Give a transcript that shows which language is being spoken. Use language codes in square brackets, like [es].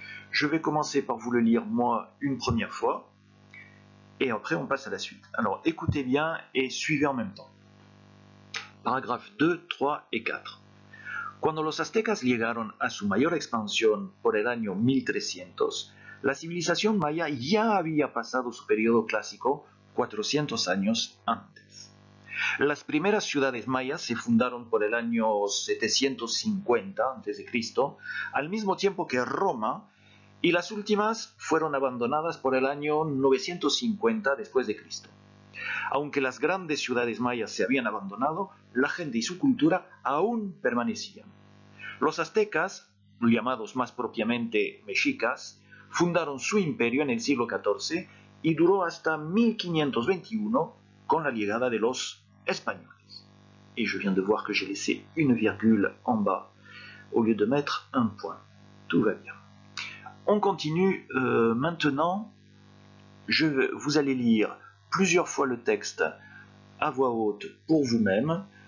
[fr] Je vais commencer par vous le lire, moi, une première fois, et après, on passe à la suite. Alors, écoutez bien et suivez en même temps. Paragraphes 2, 3 et 4. [es] Cuando los aztecas llegaron a su mayor expansión por el año 1300, la civilización maya ya había pasado su periodo clásico 400 años antes. Las primeras ciudades mayas se fundaron por el año 750 a.C., al mismo tiempo que Roma, y las últimas fueron abandonadas por el año 950 d.C. Aunque las grandes ciudades mayas se habían abandonado, la gente y su cultura aún permanecían. Los aztecas, llamados más propiamente mexicas, fundaron su imperio en el siglo XIV y duró hasta 1521 con la llegada de los españoles. [fr] Y je viens de voir que j'ai laissé une virgule en bas au lieu de mettre un point. Tout va bien. On continue maintenant. Vous allez lire plusieurs fois le texte à voix haute pour vous-même.